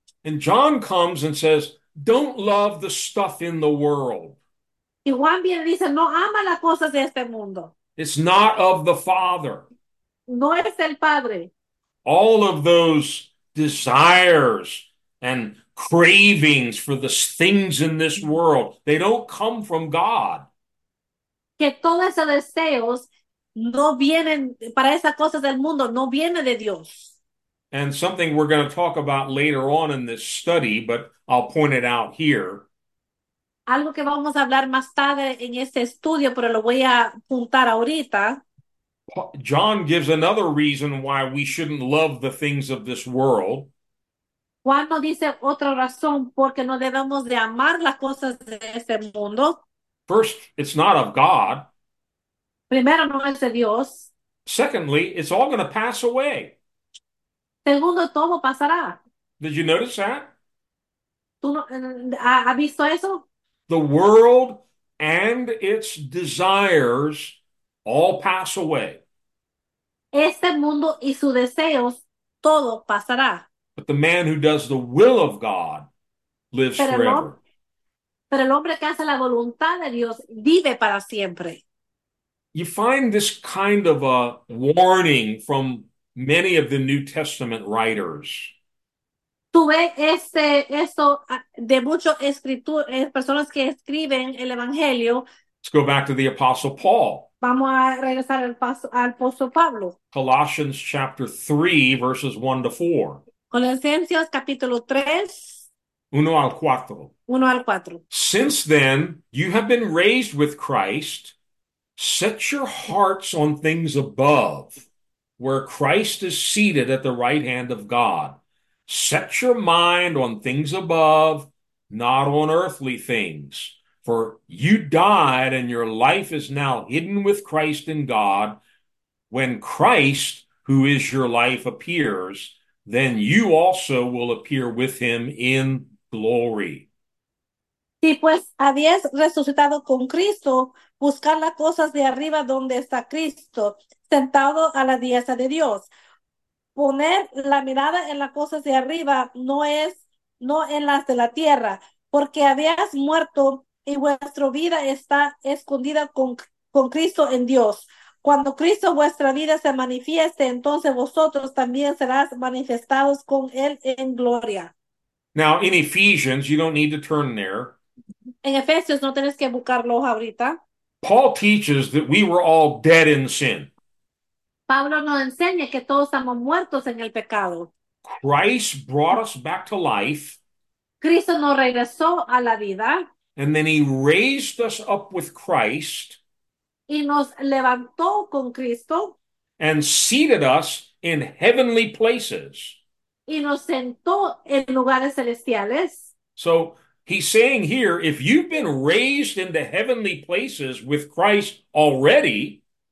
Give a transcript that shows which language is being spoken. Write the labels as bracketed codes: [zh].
[en] And John comes and says, don't love the stuff in the world. [es] Y Juan bien dice, no ama las cosas de este mundo. [en] It's not of the Father. [es] No es el Padre. [en] All of those desires and cravings for the things in this world. They don't come from God. [es] Que todos esos deseos no vienen para esas cosas del mundo, no viene de Dios. [en] And something we're going to talk about later on in this study, but I'll point it out here. [es] Algo que vamos a hablar más tarde en este estudio, pero lo voy a apuntar ahorita. [en] John gives another reason why we shouldn't love the things of this world. [es] Juan nos dice otra razón porque no debemos de amar las cosas de este mundo. [en] First, it's not of God. [es] Primero, no es de Dios. [en] Secondly, it's all going to pass away. [es] Segundo, todo pasará. [en] Did you notice that? [es] ¿Tú no, ha visto eso? [en] The world and its desires all pass away. [es] Este mundo y sus deseos, todo pasará. [en] But the man who does the will of God lives forever. [es] Pero el hombre que hace la voluntad de Dios vive para siempre. [en] You find this kind of a warning from many of the New Testament writers. [es] Tú ves esto de muchas escrituras, personas que escriben el Evangelio. [en] Let's go back to the Apostle Paul. [es] Vamos a regresar al apóstol Pablo. [en] Colossians chapter 3, verses 1 to 4. [es] Colosenses capítulo 3, 1 al 4. 1 al 4. [en] Since then, you have been raised with Christ. Set your hearts on things above, where Christ is seated at the right hand of God. Set your mind on things above, not on earthly things. For you died, and your life is now hidden with Christ in God. When Christ, who is your life, appears, then you also will appear with him in glory. [es] Si pues habías resucitado con Cristo, buscad las cosas de arriba donde está Cristo, sentado a la diestra de Dios. Poner la mirada en las cosas de arriba no es, no en las de la tierra, porque habías muerto y vuestra vida está escondida con Cristo en Dios. Cuando Cristo vuestra vida se manifieste, entonces vosotros también serás manifestados con Él en gloria. [en] Now, in Ephesians, you don't need to turn there. [es] En Efesios no tenés que buscarlo ahorita. [en] Paul teaches that we were all dead in sin. [es] Pablo nos enseña que todos estamos muertos en el pecado. [en] Christ brought us back to life, [es] Cristo nos regresó a la vida [en] and then he raised us up with Christ [es] y nos levantó con Cristo [en] and seated us in heavenly places. [es] y nos sentó en lugares celestiales. [en] So he's saying here, if you've been raised into heavenly places with Christ already,